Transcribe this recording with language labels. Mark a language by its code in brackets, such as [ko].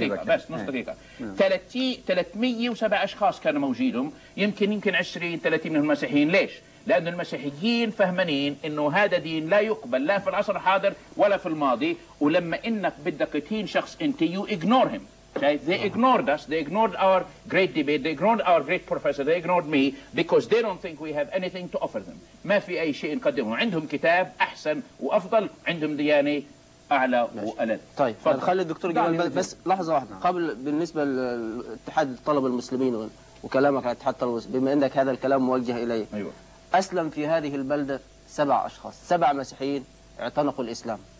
[ar] نجيبك بس نص دقيقه. 307 اشخاص كانوا موجودهم، يمكن 20 30 من المسيحيين. ليش؟ لان المسيحيين فهمانين انه هذا دين لا يقبل لا في العصر الحاضر ولا في الماضي، ولما انك بدك تهين شخص انت [en] You ignore him. They ignored us. They ignored our great debate. They ignored our great professor. They ignored me because they don't think we have anything to offer them. [ar] ما في أي شيء نقدمه. عندهم كتاب أحسن وأفضل، عندهم ديانة أعلى وألد. طيب خلي الدكتور جمال بس لحظة واحدة قبل، بالنسبة لاتحاد الطلبة المسلمين وكلامك على اتحاد الطلبة، بما أنك هذا الكلام موجه إلي. أيوة. أسلم في هذه البلدة 7 أشخاص، 7 مسيحيين اعتنقوا الإسلام.